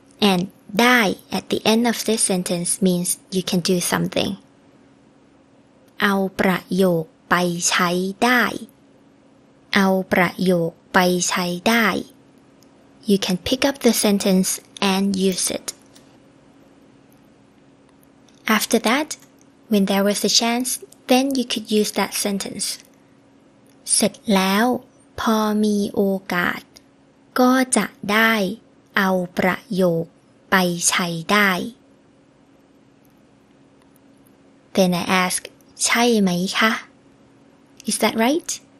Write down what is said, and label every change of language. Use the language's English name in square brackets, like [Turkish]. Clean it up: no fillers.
[English] and ได้ at the end of this sentence means you can do something [Thai] เอาประโยคไปใช้ได้เอาประโยคไปใช้ได้ [English] You can pick up the sentence and use it. After that, when there was a chance, then you could use that sentence. [Thai] เสร็จแล้วพอมีโอกาสก็จะได้เอาประโยคไปใช้ได้ [English] Then I ask, [Thai] ใช่ไหมคะ [English] Is that right?